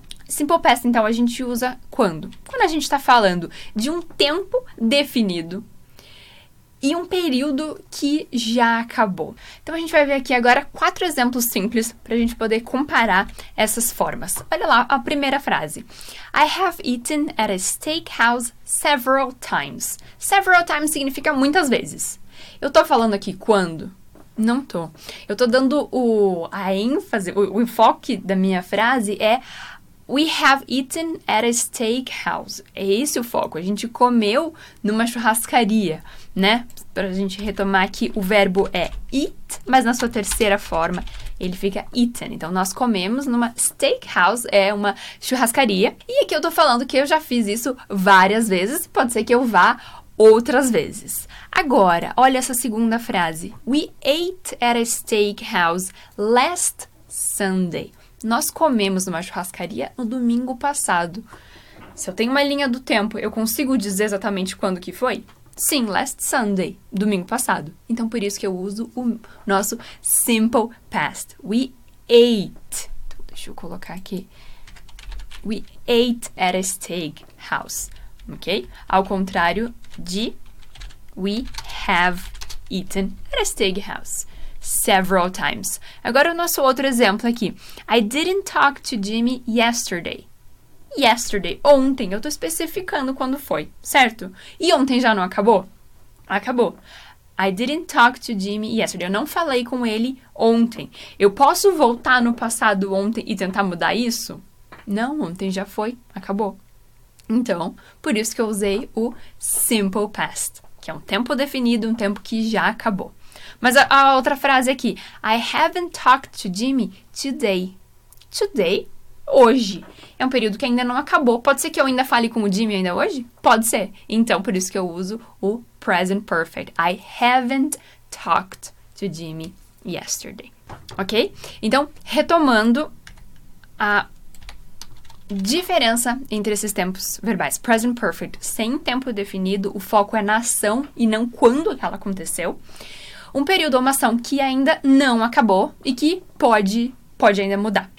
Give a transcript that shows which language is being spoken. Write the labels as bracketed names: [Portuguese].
[Portuguese] Simple past, então, a gente usa quando? Quando a gente está falando de um tempo definido, e um período que já acabou. Então, a gente vai ver aqui agora 4 exemplos simples para a gente poder comparar essas formas. Olha lá a primeira frase. [English] I have eaten at a steakhouse several times. [Portuguese] Several times significa muitas vezes. Eu estou falando aqui quando? Não estou. Eu estou dando a ênfase, o enfoque da minha frase é [English] we have eaten at a steakhouse. [Portuguese] É esse o foco. A gente comeu numa churrascaria. Né? Para a gente retomar aqui, o verbo é eat, mas na sua terceira forma ele fica eaten. Então, nós comemos numa steakhouse, é uma churrascaria. E aqui eu estou falando que eu já fiz isso várias vezes, pode ser que eu vá outras vezes. Agora, olha essa segunda frase. [English] We ate at a steakhouse last Sunday. [Portuguese] Nós comemos numa churrascaria no domingo passado. Se eu tenho uma linha do tempo, eu consigo dizer exatamente quando que foi? Sim, [English] last Sunday, [Portuguese] domingo passado. Então, por isso que eu uso o nosso simple past. [English] We ate. [Portuguese] Então, deixa eu colocar aqui. [English] We ate at a steakhouse. Ok? Ao contrário de we have eaten at a steakhouse several times. [Portuguese] Agora, o nosso outro exemplo aqui. [English] I didn't talk to Jimmy yesterday. [Portuguese] Yesterday, ontem, eu estou especificando quando foi, certo? E ontem já não acabou? Acabou. [English] I didn't talk to Jimmy yesterday. [Portuguese] Eu não falei com ele ontem. Eu posso voltar no passado ontem e tentar mudar isso? Não, ontem já foi, acabou. Então, por isso que eu usei o simple past, que é um tempo definido, um tempo que já acabou. Mas a outra frase aqui. [English] I haven't talked to Jimmy today. Today? [Portuguese] Hoje. É um período que ainda não acabou. Pode ser que eu ainda fale com o Jimmy ainda hoje? Pode ser. Então, por isso que eu uso o present perfect. [English] I haven't talked to Jimmy yesterday. [Portuguese] Ok? Então, retomando a diferença entre esses tempos verbais. Present perfect, sem tempo definido, o foco é na ação e não quando ela aconteceu. Um período ou uma ação que ainda não acabou e que pode ainda mudar.